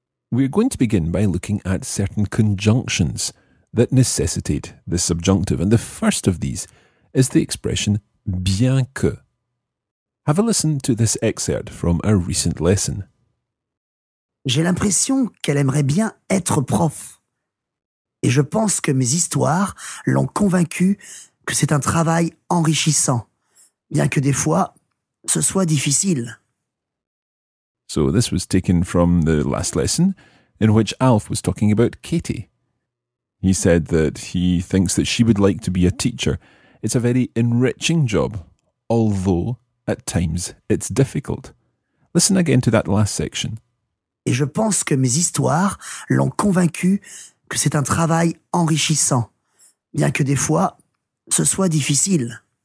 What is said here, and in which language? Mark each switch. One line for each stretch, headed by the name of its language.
English: We're going to begin by looking at certain conjunctions that necessitate the subjunctive. And the first of these is the expression bien que. Have a listen to this excerpt from a recent lesson.
French: J'ai l'impression qu'elle aimerait bien être prof. Et je pense que mes histoires l'ont convaincue que c'est un travail enrichissant, bien que des fois ce soit difficile.
English: So this was taken from the last lesson in which Alf was talking about Katie. He said that he thinks that she would like to be a teacher. It's a very enriching job, although at times it's difficult. Listen again to that last section.
French: Et je pense que mes histoires l'ont convaincu que c'est un travail enrichissant, bien que des fois ce soit difficile.